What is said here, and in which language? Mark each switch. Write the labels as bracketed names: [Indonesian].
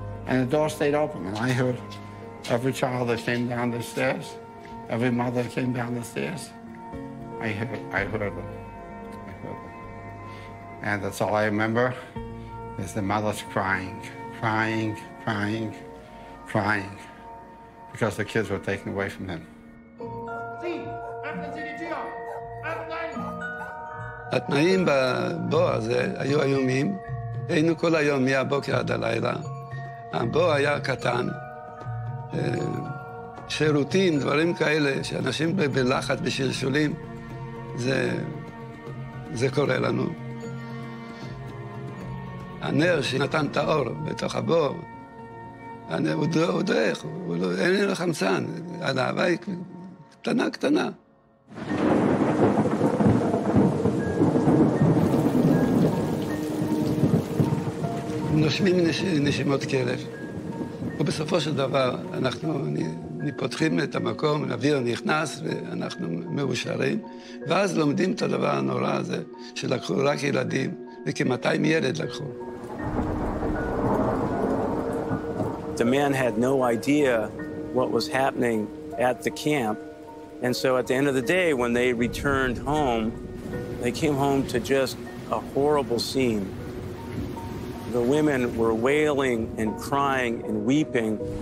[English] And the door stayed open, and I heard every child that came down the stairs, every mother that came down the stairs, I heard them. And that's all I remember, is the mothers crying, because the kids were taken away from them. [Hebrew] התנאים בבור הזה היו איומים, היינו כל היום מהבוקר עד הלילה. הבור היה קטן, שירותים, דברים כאלה, שאנשים בלחץ, בשלשולים, זה קורה לנו. הנר שנתן את האור בתוך הבור, הוא דרך, אין לי חמצן, האהבה היא קטנה, קטנה. נושמים נשימות כלב. ובסופו של דבר, אנחנו פותחים את המקום, אוויר נכנס, ואנחנו מאושרים. ואז לומדים את הדבר הנורא הזה, שלקחו רק ילדים, וכ-200 ילד לקחו. [English] The man had no idea what was happening at the camp. And so at the end of the day, when they returned home, they came home to just a horrible scene. The women were wailing and crying and weeping.